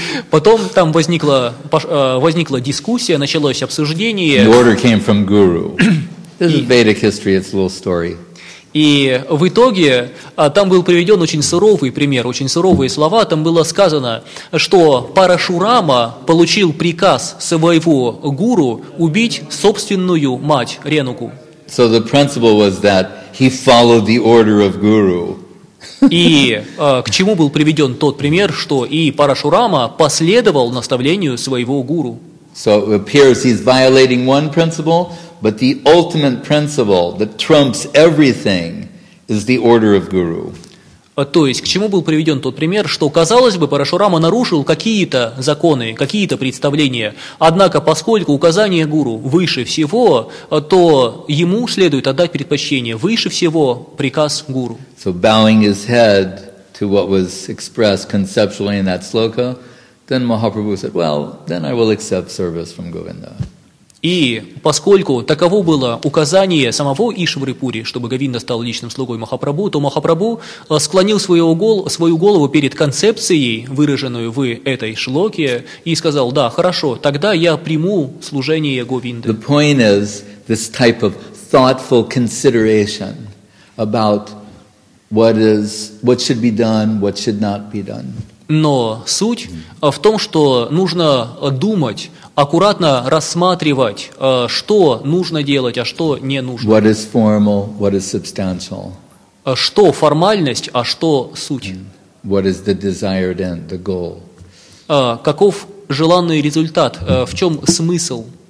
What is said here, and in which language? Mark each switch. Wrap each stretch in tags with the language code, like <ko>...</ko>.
<ru>Потом там возникла дискуссия, началось обсуждение.</ru> <en>The order came from Guru. This is Vedic history, it's a little story.</en> <ru>И в итоге там был приведен очень суровый пример, очень суровые слова. Там было сказано, что Парашурама получил приказ своего гуру убить собственную мать Ренуку.</ru> <en>So the principle was that he followed the order of Guru.</en> <ru>И к чему был приведен тот пример, что и Парашурама последовал наставлению своего гуру.</ru> <en>So it appears he's violating one principle, but the ultimate principle that trumps everything is the order of guru.</en> <ru>То есть, к чему был приведен тот пример, что, казалось бы, Парашурама нарушил какие-то законы, какие-то представления, однако, поскольку указание гуру выше всего, то ему следует отдать предпочтение, выше всего приказ гуру.</ru> <en>So bowing his head to what was expressed conceptually in that sloka, then Mahaprabhu said, well, then I will accept service from Govinda.</en> <ru>И поскольку таково было указание самого Ишварипури, чтобы Говинда стал личным слугой Махапрабху, то Махапрабху склонил свою голову перед концепцией, выраженную в этой шлоке, и сказал, да, хорошо, тогда я приму служение Говинды.</ru> <en>The point is this type of thoughtful consideration about what should be done, what should not be done.</en> <ru>Но суть в том, что нужно думать, аккуратно рассматривать, что нужно делать, а что не нужно.</ru> <en>What is formal, what is substantial.</en> <ru>Что формальность, а что суть.</ru> <en>What is the desired end, the goal.</en> <ru>Каков желанный результат, в чем смысл.</ru>